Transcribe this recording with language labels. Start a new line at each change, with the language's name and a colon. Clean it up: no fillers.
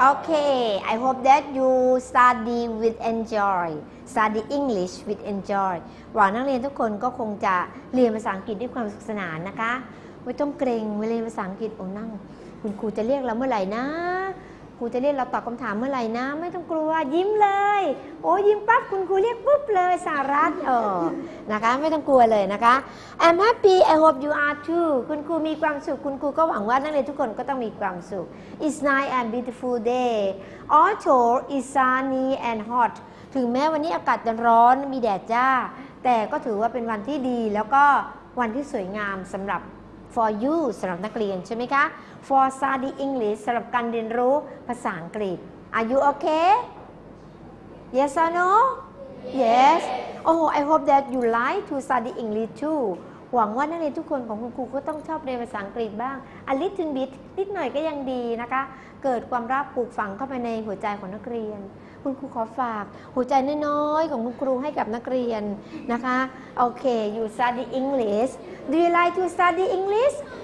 English: Okay, I hope that you study with enjoy. Study English with enjoy
Thai: หวังนักเรียนทุกคนก็คงจะเรียนภาษาอังกฤษด้วยความสนุกสนานนะคะไม่ต้องเกรงเรียนภาษาอังกฤษโอ้นั่งคุณครูจะเรียกเราเมื่อไหร่นะครูจะเรียกเราตอบคำถามเมื่อไหร่นะไม่ต้องกลัวยิ้มเลยโอ้ยิ้มปั๊บคุณครูเรียกปุ๊บเลยสารัต นะคะไม่ต้องกลัวเลยนะคะ
English: I'm happy I hope you are too
Thai: คุณครูมีความสุขคุณครูก็หวังว่านักเรียนทุกคนก็ต้องมีความสุข
English: It's nice and beautiful day Also it's sunny and hot
Thai: ถึงแม้วันนี้อากาศจะร้อนมีแดดจ้าแต่ก็ถือว่าเป็นวันที่ดีแล้วก็วันที่สวยงามสำหรับ
English: for you
Thai: สำหรับนักเรียนใช่ไหมคะ
English: for study English
Thai: สำหรับการเรียนรู้ภาษาอังกฤษ
English: are you okay yes or no yes oh I hope that you like to study English too
Thai: หวังว่านักเรียนทุกคนของคุณครูก็ต้องชอบเรียนภาษาอังกฤษบ้าง
English: a little bit
Thai: นิดหน่อยก็ยังดีนะคะเกิดความรักปลูกฝังเข้าไปในหัวใจของนักเรียนคุณครูขอฝากหัวใจน้อยๆของคุณครูให้กับนักเรียนนะคะโอเค
English: you study English do you like to study English